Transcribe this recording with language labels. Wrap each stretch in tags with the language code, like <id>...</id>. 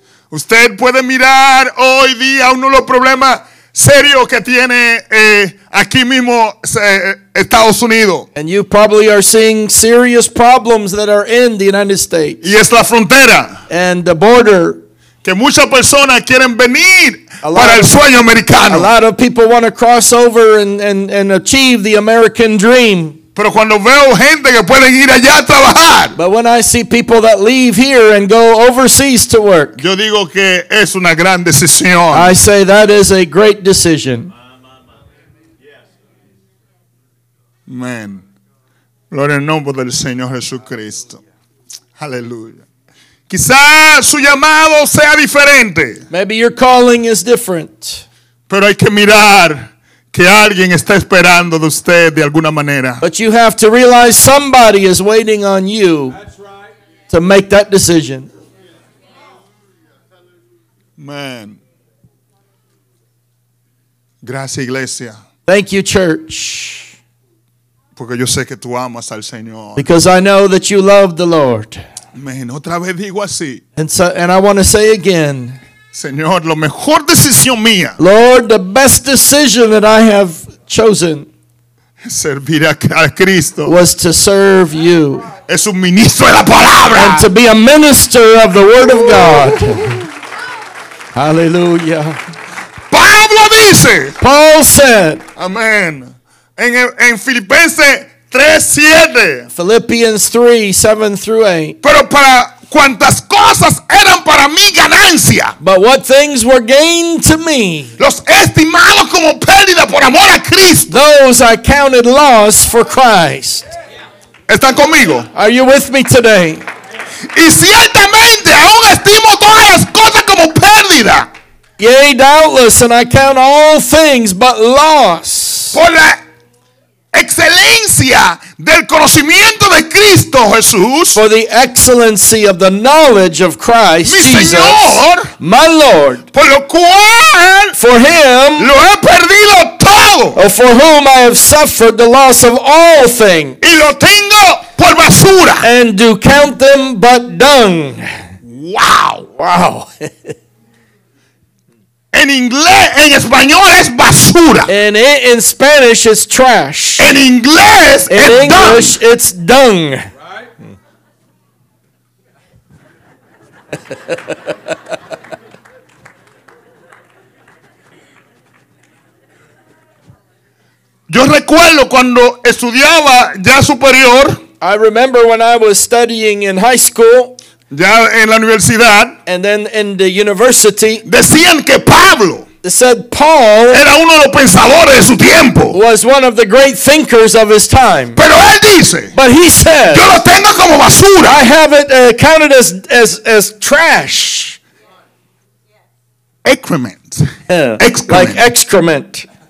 <es>Usted puede mirar hoy día uno de los problemas serios que tiene aquí mismo Estados Unidos.</es> <en>And you probably are seeing serious problems that are in the United States.</en> <es>Y es la frontera.</es> <en>And the border.</en> <es>Que muchas personas quieren venir para el sueño americano.</es> <en>A lot of people want to cross over and achieve the American dream.</en> <es>Pero cuando veo gente que pueden ir allá a trabajar.</es> <en>But when I see people that leave here and go overseas to work.</en> <es>Yo digo que es una gran decisión.</es> <en>I say that is a great decision.</en> <es>Amen. Gloria en nombre del Señor Jesucristo. Aleluya. Quizás su llamado sea diferente.</es> <en>Maybe your calling is different.</en> <es>Pero hay que mirar. Que alguien está esperando de usted de alguna manera.</es> <en>But you have to realize somebody is waiting on you. That's right. To make that decision. Man.</en> <es>Gracias, iglesia.</es> <en>Thank you, church.</en> <es>Porque yo sé que tú amas al Señor.</es> <en>Because I know that you love the Lord.</en> <es>Man, otra vez digo así.</es> <en>And I want to say again.</en> <es>Señor, la mejor decisión mía.</es> <en>Lord, the best decision that I have chosen.</en> <es>Servir a Cristo.</es> <en>Was to serve you.</en> <es>Es un ministro de la palabra.</es> <en>And to be a minister of the word of God. Hallelujah.</en> <es>Pablo dice.</es> <en>Paul said.</en> <es>Amén. En Filipenses 3:7.</es> <en>Philippians 3:7-8.</en> <es>Pero para cuantas cosas eran para mí ganancia.</es> <en>But what things were gained to me.</en> <es>Los estimaba como pérdida por amor a Cristo.</es> <en>Those I counted loss for Christ.</en> <es>¿Están conmigo?</es> <en>Are you with me today?</en> <es>Y ciertamente aún estimo todas las cosas como pérdida.</es> <en>Yea, doubtless, and I count all things but loss.</en> <es>Por la excelencia del conocimiento de Cristo Jesús.</es> <en>For the excellency of the knowledge of Christ</en> <es>mi</es> <en>Jesus.</en> <es>Señor,</es> <en>my Lord.</en> <es>Por lo cual.</es> <en>For him.</en> <es>Lo he perdido todo.</es> <en>For whom I have suffered the loss of all things.</en> <es>Y lo tengo por basura.</es> <en>And do count them but dung. Wow. Wow.</en> <es>En inglés, en español es basura.</es> <en>And in Spanish it's trash.</en> <es>En inglés,</es> <en>in English dung. It's dung.</en> <es>Yo recuerdo cuando estudiaba ya superior.</es> <en>I remember when I was studying in high school.</en> <es>Ya en la universidad.</es> <en>And then in the university.</en> <es>Decían que Pablo.</es> <en>Said Paul.</en> <es>Era uno de los pensadores de su tiempo.</es> <en>Was one of the great thinkers of his time.</en> <es>Pero él dice.</es> <en>But he said.</en> <es>Yo lo tengo como basura.</es> <en>I have it counted as trash. Excrement. Yeah, like excrement.</en>